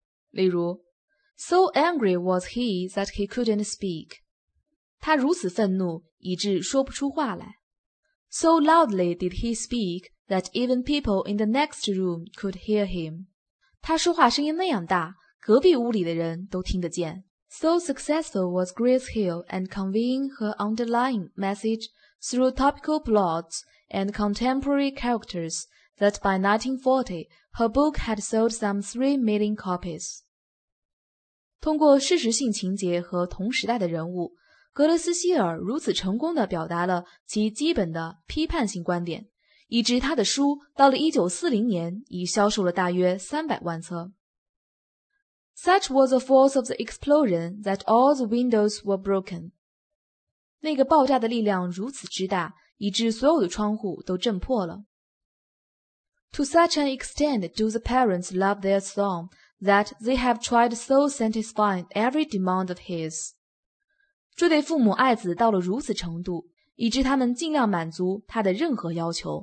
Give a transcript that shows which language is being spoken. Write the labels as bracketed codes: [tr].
[zh] 例如 [en] ,so angry was he that he couldn't speak. [zh] 他如此愤怒以致说不出话来。 [en] So loudly did he speak that even people in the next room could hear him. [zh] 他说话声音那样大隔壁屋里的人都听得见。 [en] So successful was Grace Hill in conveying her underlying message through topical plots and contemporary characters that by 1940 her book had sold some 3 million copies. [zh] 通过事实性情节和同时代的人物格勒斯希尔如此成功地表达了其基本的批判性观点以致他的书到了1940年已销售了大约300万册。 [en] Such was the force of the explosion that all the windows were broken. [zh] 那个爆炸的力量如此之大以致所有的窗户都震破了。 [en] To such an extent do the parents love their son that they have tried so satisfying every demand of his. [zh] 这对父母爱子到了如此程度以致他们尽量满足他的任何要求。